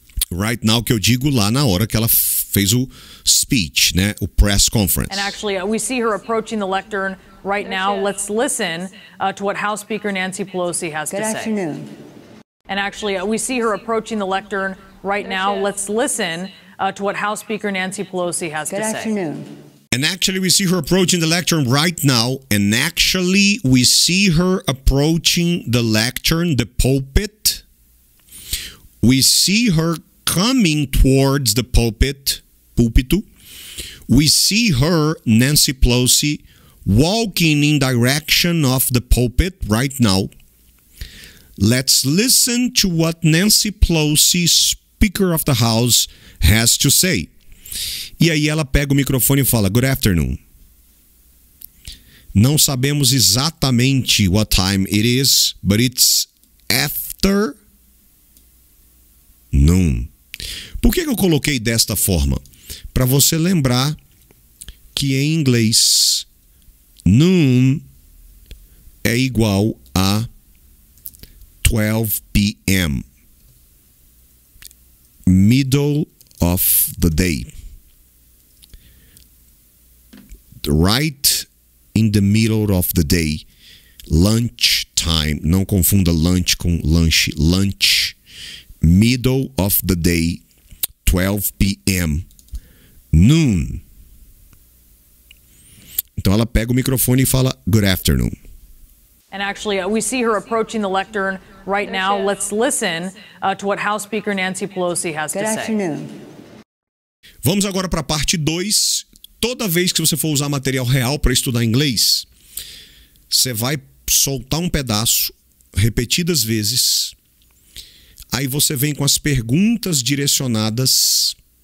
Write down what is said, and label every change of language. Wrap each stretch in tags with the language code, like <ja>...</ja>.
<en>Right now,</en> <pt>que eu digo lá na hora que ela fez o speech, né? O press conference.</pt> <en>And actually, we see her approaching the lectern right now. Let's listen to what House Speaker Nancy Pelosi has to say. Good afternoon. And actually, we see her approaching the lectern right now. Let's listen to what House Speaker Nancy Pelosi has to say. Good afternoon. And actually, we see her approaching the lectern right now. And actually, we see her approaching the lectern, the pulpit. We see her coming towards the pulpit, pulpito. We see her, Nancy Pelosi, walking in direction of the pulpit right now. Let's listen to what Nancy Pelosi, Speaker of the House, has to say.</en> <pt>E aí ela pega o microfone e fala,</pt> <en>good afternoon.</en> <pt>Não sabemos exatamente</pt> <en>what time it is, but it's after noon.</en> <pt>Por que eu coloquei desta forma? Para você lembrar que em inglês, noon é igual a 12 p.m.</pt> <en>Middle of the day. Right in the middle of the day, lunch time,</en> <pt>não confunda lunch com lanche,</pt> <en>lunch, middle of the day, 12 p.m., noon.</en> <pt>Então ela pega o microfone e fala,</pt> <en>good afternoon. And actually, we see her approaching the lectern right now. Let's listen to what House Speaker Nancy Pelosi has good to afternoon. Say.</en> <pt>Vamos agora para a parte 2. Toda vez que você for usar material real para estudar inglês, você vai soltar um pedaço repetidas vezes. Aí você vem com as perguntas direcionadas.</pt>